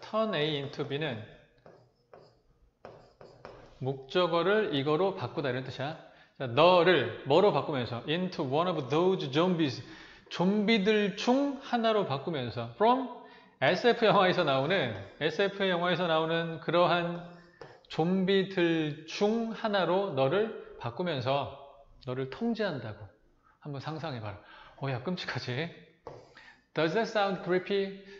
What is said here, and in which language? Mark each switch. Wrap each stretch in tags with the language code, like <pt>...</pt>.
<en>turn A into B</en> <ko>는 목적어를 이거로 바꾸다. 이런 뜻이야. 자, 너를 뭐로 바꾸면서?</ko> <en>into one of those zombies.</en> <ko>좀비들 중 하나로 바꾸면서 from SF 영화에서 나오는 SF 영화에서 나오는 그러한 좀비들 중 하나로 너를 바꾸면서 너를 통제한다고 한번 상상해봐라. 야, 끔찍하지?</ko> <en>Does that sound creepy?</en>